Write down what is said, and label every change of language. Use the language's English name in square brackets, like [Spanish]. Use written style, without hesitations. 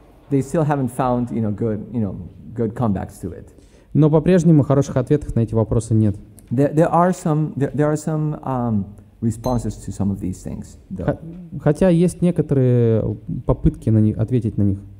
[English] they still haven't found, you know, good, you know, good comebacks to it. [Russian] Но по-прежнему хороших ответов на эти вопросы нет. [English] There are some responses to some of these things, though. [Russian] Хотя есть некоторые попытки на них ответить на них.